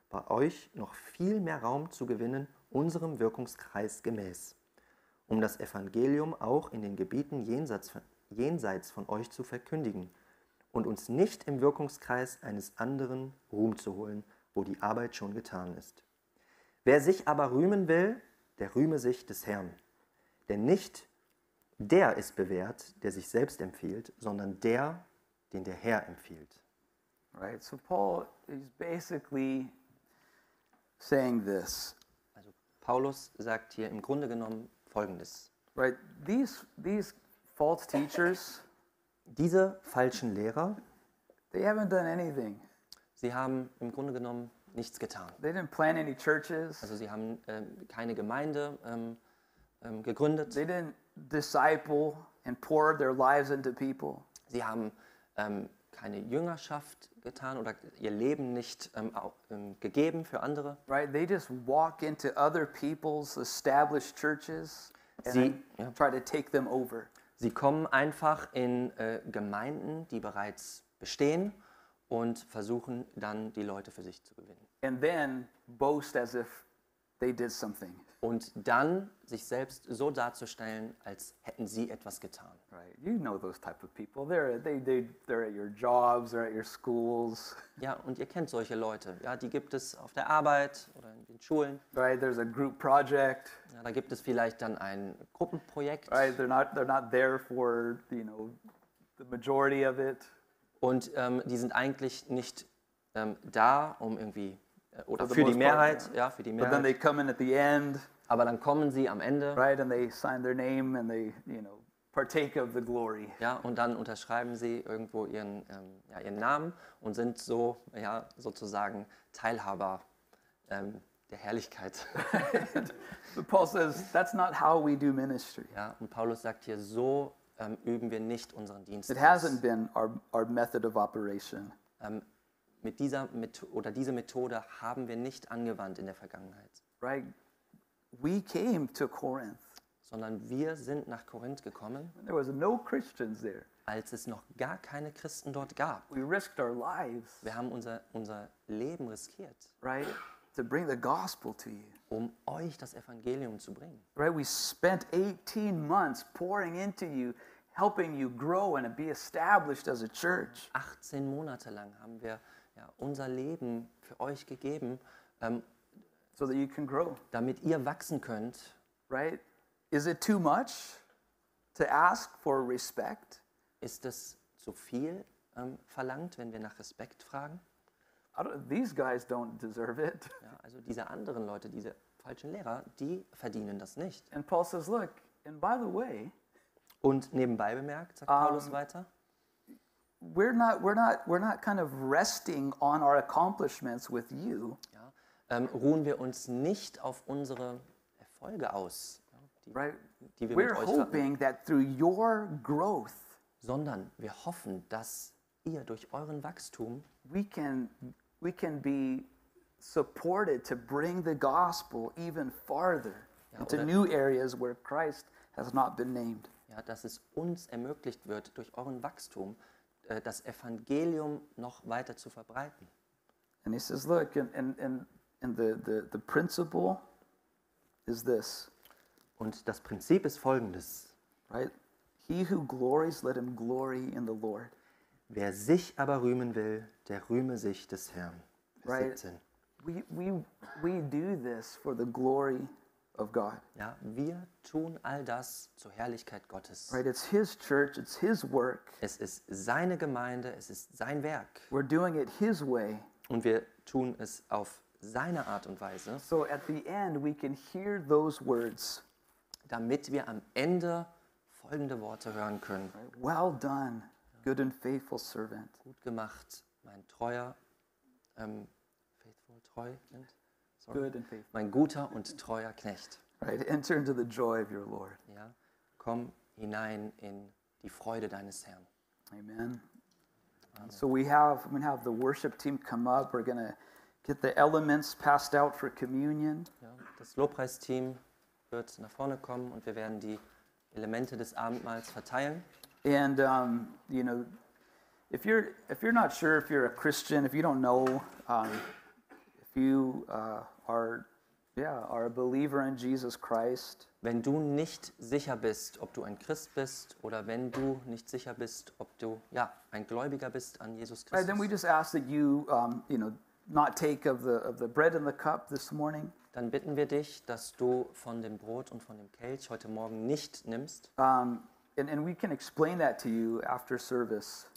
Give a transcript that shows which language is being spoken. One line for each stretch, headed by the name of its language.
German: bei euch noch viel mehr Raum zu gewinnen, unserem Wirkungskreis gemäß, um das Evangelium auch in den Gebieten jenseits von euch zu verkündigen und uns nicht im Wirkungskreis eines anderen Ruhm zu holen, wo die Arbeit schon getan ist. Wer sich aber rühmen will, der rühme sich des Herrn. Denn nicht der ist bewährt, der sich selbst empfiehlt, sondern der, den der Herr empfiehlt.
English: Right, so Paul is basically saying this.
German: Also Paulus sagt hier im Grunde genommen Folgendes.
English: Right, these false teachers,
German: diese falschen Lehrer,
English: they haven't done anything.
German: Sie haben im Grunde genommen nichts getan.
English: They didn't plan any churches.
German: Also sie haben keine Gemeinde gegründet.
English: They didn't disciple and pour their lives into people.
German: Sie haben keine Jüngerschaft getan oder ihr Leben nicht gegeben für andere.
English: Right, they just walk into other people's established churches and
German: sie, ja,
English: try to take them over.
German: Sie kommen einfach in Gemeinden, die bereits bestehen, und versuchen dann die Leute für sich zu gewinnen.
English: And then boast as if they did something.
German: Und dann sich selbst so darzustellen, als hätten sie etwas getan.
English: Right. You know those type of people. They're at your jobs, they're at your schools.
German: Ja, und ihr kennt solche Leute. Ja, die gibt es auf der Arbeit oder in den Schulen.
English: Right, there's a group project.
German: Ja, da gibt es vielleicht dann ein Gruppenprojekt.
English: Right, they're not there for, you know, the majority of it.
German: Und die sind eigentlich nicht da, um irgendwie oder für die Mehrheit, ja, für die Mehrheit.
English: But then they come in at the end.
German: Aber dann kommen sie am Ende.
English: Right, and they sign their name and they, you know, partake of the glory.
German: Ja, und dann unterschreiben sie irgendwo ihren ihren Namen und sind so, ja, sozusagen Teilhaber der Herrlichkeit.
English: But Paul says, that's not how we do ministry.
German: Ja, und Paulus sagt hier so. Üben wir nicht unseren Dienst.
English: It hasn't been our method of operation.
German: Mit dieser diese Methode haben wir nicht angewandt in der Vergangenheit.
English: Right. We came to Corinth.
German: Sondern wir sind nach Korinth gekommen.
English: There was no Christians there.
German: Als es noch gar keine Christen dort gab.
English: We risked our lives.
German: Wir haben unser Leben riskiert.
English: Right. To bring the gospel to you.
German: Um euch das Evangelium zu bringen.
English: Right, we spent 18 months pouring into you, helping you grow and be established as a church.
German: 18 Monate lang haben wir unser Leben für euch gegeben,
English: so that you can grow.
German: Damit ihr wachsen könnt.
English: Right? Is it too much to ask for respect?
German: Ist es zu viel verlangt, wenn wir nach Respekt fragen?
English: These guys don't deserve it.
German: Ja, also diese anderen Leute, diese falschen Lehrer, die verdienen das nicht.
English: And Paul says, look, and by the way,
German: und nebenbei bemerkt, sagt Paulus weiter,
English: we're not kind of resting on our accomplishments with you.
German: Ja, ruhen wir uns nicht auf unsere Erfolge aus, die wir
English: we're
German: mit euch
English: hoping
German: hatten,
English: that through your growth,
German: sondern wir hoffen, dass ihr durch euren Wachstum
English: we can be supported to bring the gospel even farther, ja, into new areas where Christ has not been named.
German: Ja, dass es uns ermöglicht wird, durch euren Wachstum das Evangelium noch weiter zu verbreiten.
English: And he says, look, and the principle is this.
German: Und das Prinzip ist folgendes.
English: Right? He who glories, let him glory in the Lord.
German: Wer sich aber rühmen will, der rühme sich des Herrn. Vers 17.
English: We do this for the glory of God.
German: Ja, wir tun all das zur Herrlichkeit Gottes.
English: Right, it's his church, it's his work.
German: Es ist seine Gemeinde, es ist sein Werk.
English: We're doing it his way.
German: Und wir tun es auf seine Art und Weise.
English: So at the end we can hear those words.
German: Damit wir am Ende folgende Worte hören können.
English: Right, well done. Good and faithful servant.
German: Gut gemacht, mein treuer,
English: faithful,
German: treu.
English: Sorry. Good and faithful.
German: Mein guter und treuer Knecht.
English: Right, enter into the joy of your Lord.
German: Ja, komm hinein in die Freude deines Herrn.
English: Amen. Amen. So we have the worship team come up. We're gonna get the elements passed out for communion.
German: Ja, das Lobpreisteam wird nach vorne kommen und wir werden die Elemente des Abendmahls verteilen.
English: And you know, if you're not sure if you're a Christian, if you don't know, if are a believer in Jesus Christ,
German: wenn du nicht sicher bist, ob du ein Christ bist, oder wenn du nicht sicher bist, ob du ja ein Gläubiger bist an Jesus Christus.
English: Right, then we just ask that you you know, not take of the bread and the cup this morning.
German: Dann bitten wir dich, dass du von dem Brot und von dem Kelch heute Morgen nicht nimmst.
English: And we can explain that to you after service.